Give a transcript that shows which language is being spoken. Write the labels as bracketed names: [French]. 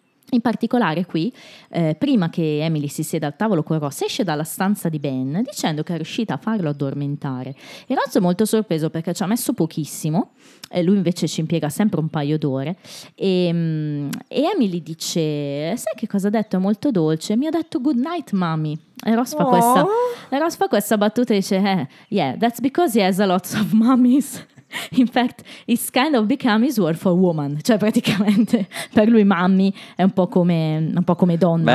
[Italian] In particolare qui, prima che Emily si sieda al tavolo con Ross, esce dalla stanza di Ben dicendo che è riuscita a farlo addormentare. E Ross è molto sorpreso perché ci ha messo pochissimo, lui invece ci impiega sempre un paio d'ore. E Emily dice, sai che cosa ha detto? È molto dolce. Mi ha detto [English] good night, mommy. [Italian] E Ross fa questa, battuta e dice, [English] yeah, that's because he has a lot of mommies. In fact, it's kind of become his word for woman. [Italian] Cioè praticamente per lui mommy è un po' come donna.